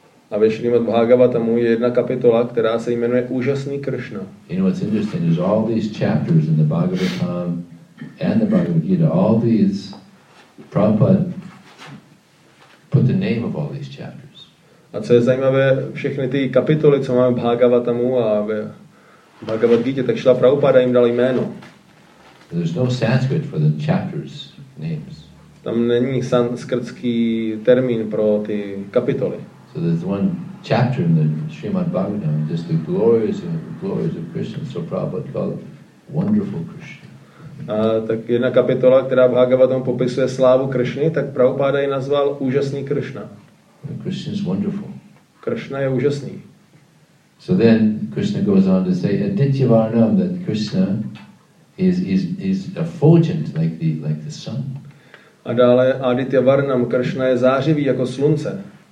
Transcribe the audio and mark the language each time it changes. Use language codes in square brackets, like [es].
[cs] A ve Srimad Bhagavatamu je jedna kapitola, která se jmenuje Úžasný Krishna. [en] You know, it's interesting, there's all these chapters in the Bhagavatam and the Bhagavad Gita, all these Prabhupada put the name of all these chapters. [cs] A co je zajímavé, všechny ty kapitoly, co máme v Bhagavatamu a ve Bhagavad Gita, tak Šrila Prabhupada jim dal jméno. [en] There's no Sanskrit for the chapters names. [cs] Tam není sanskrtský termín pro ty kapitoly. [en] So there's one chapter in the Srimad Bhagavatam, just the glories of Krishna. So Prabhupada called wonderful Krishna. [cs] A tak jedna kapitola, která Bhagavatam popisuje slávu Krishny, tak Prabhupada ji nazval úžasný Krishna. [en] Krishna is wonderful. [cs] Krishna je úžasný. [en] So then Krishna goes on to say, "Aditya Varnam," that Krishna is effulgent like the sun. [cs] A dále Aditya Varnam, Krishna je zářivý jako slunce.